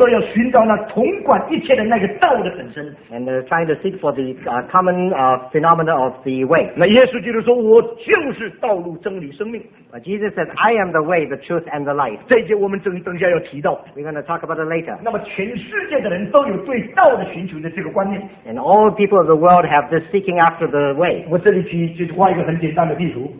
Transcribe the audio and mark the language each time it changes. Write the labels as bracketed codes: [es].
[zh] 都要寻找那统管一切的那个道的本身, [en] and trying to seek for the common phenomena of the way. [zh] 那耶稣基督说, 我就是道路, 真理, [en] but Jesus says, I am the way, the truth, and the life. [zh] 这一节我们等一下要提到, [en] we're going to talk about it later. [zh] 那么全世界的人都有对道的寻求的这个观念, [en] and all people of the world have this seeking after the way. [zh] 我这里去画一个很简单的地图,